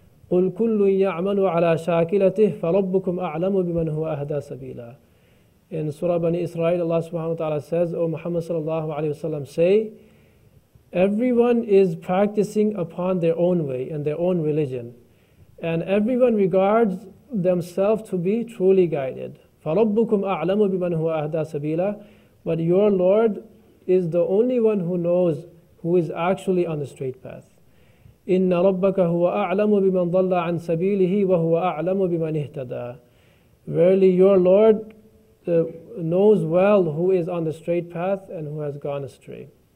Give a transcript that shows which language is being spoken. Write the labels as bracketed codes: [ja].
[ar] قُلْ كُلُّ يَعْمَلُ عَلَى شَاكِلَتِهِ فَرَبُّكُمْ أَعْلَمُ بِمَنْ هُوَ أَهْدَى سَبِيلًا. [en] In Surah Bani Israel, Allah subhanahu wa ta'ala says, O Muhammad sallallahu alayhi wa sallam, say, everyone is practicing upon their own way and their own religion, and everyone regards themselves to be truly guided. [ar] فَرَبُّكُمْ أَعْلَمُ بِمَنْ هُوَ أَهْدَى سَبِيلًا. [en] But your Lord is the only one who knows who is actually on the straight path. [ar] إِنَّ رَبَّكَ هُوَ أَعْلَمُ بِمَنْ ضَلَّ عَنْ سَبِيلِهِ وَهُوَ أَعْلَمُ بِمَنْ اِهْتَدَى. [en] Verily your Lord knows well who is on the straight path and who has gone astray.